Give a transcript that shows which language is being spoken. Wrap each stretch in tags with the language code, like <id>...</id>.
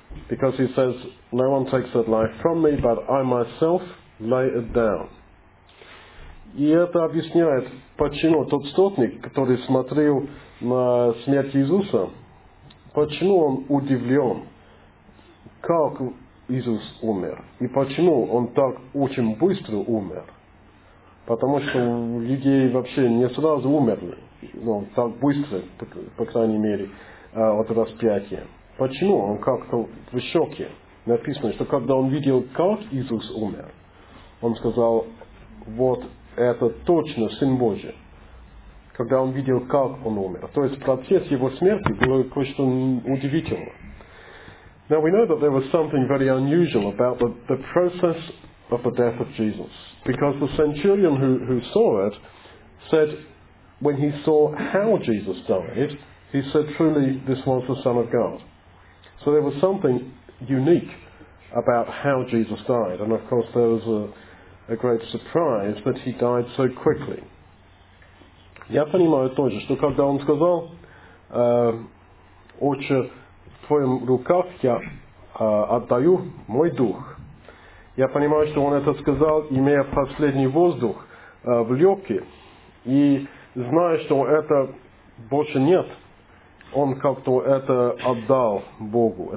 <en>Because he says, no one takes that life from me, but I myself lay it down.</en> <ru>И это объясняет, почему тот сотник, который смотрел на смерть Иисуса, почему он удивлен. Как Иисус умер? И почему он так очень быстро умер? Потому что людей вообще не сразу умерли, ну, так быстро, по крайней мере, от распятия. Почему он как-то в шоке? Написано, что когда он видел, как Иисус умер, он сказал, вот это точно Сын Божий. Когда он видел, как он умер. То есть процесс его смерти был кое-что удивительное.</ru> <en>Now we know that there was something very unusual about the process of the death of Jesus. Because the centurion who saw it said, when he saw how Jesus died, he said, truly, this was the Son of God. So there was something unique about how Jesus died. And of course there was a great surprise that he died so quickly.</en> <ru>Я понимаю тоже, что когда он сказал, отче, в твоем руках я отдаю мой дух. Я понимаю, что он это сказал, имея последний воздух в легкие, и зная, что это больше нет, он как-то это отдал Богу.</ru>